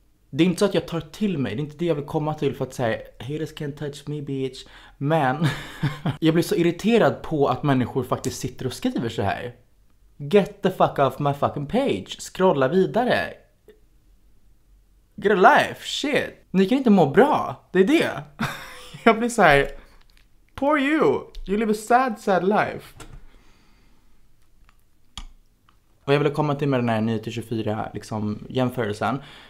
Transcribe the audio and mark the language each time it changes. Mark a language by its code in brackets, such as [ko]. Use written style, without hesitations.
[sv] Det är inte så att jag tar till mig, det är inte det jag vill komma till för att säga [en] haters can't touch me bitch. [sv] Men jag blir så irriterad på att människor faktiskt sitter och skriver så här. [en] Get the fuck off my fucking page. [sv] Scrolla vidare. [en] Get a life, shit. [sv] Ni kan inte må bra, det är det. Jag blir så här. [en] Poor you, you live a sad sad life. [sv] Och jag ville komma till med den här 9-24 liksom jämförelsen.